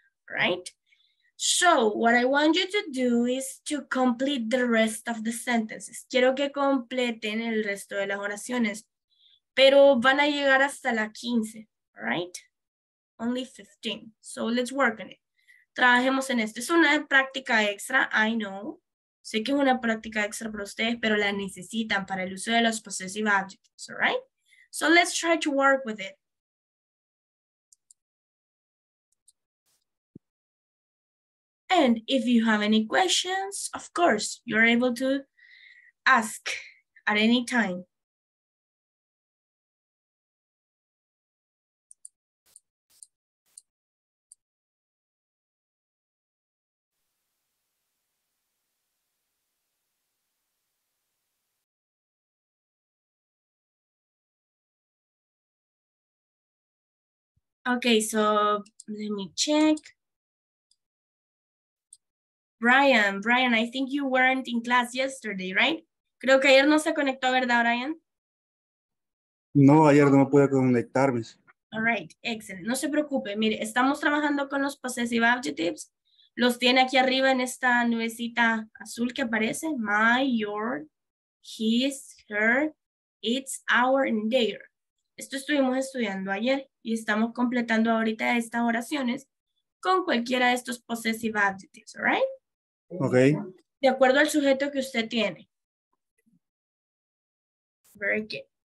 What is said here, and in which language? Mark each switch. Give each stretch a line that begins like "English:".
English: All right, so what I want you to do is to complete the rest of the sentences.
Spanish: Quiero que completen el resto de las oraciones, pero van a llegar hasta la 15,
English: all right? Only 15, so let's work on it.
Spanish: Trabajemos en esto. Es una práctica extra,
English: I know.
Spanish: Sé que es una práctica extra para ustedes, pero la necesitan para el uso de los possessive adjectives,
English: all right? So let's try to work with it. And if you have any questions, of course, you're able to ask at any time. Okay, so let me check. Brian, I think you weren't in class yesterday, right?
Spanish: Creo que ayer no se conectó, ¿verdad, Brian? No, ayer no me pude conectar, Miss.
English: All right, excellent.
Spanish: No se preocupe. Mire, estamos trabajando con los possessive adjectives. Los tiene aquí arriba en esta nubecita azul que aparece.
English: My, your, his, her, it's, our, and their.
Spanish: Esto estuvimos estudiando ayer y estamos completando ahorita estas oraciones con cualquiera de estos possessive adjectives,
English: all right? Okay.
Spanish: De acuerdo al sujeto que usted tiene.
English: Very good.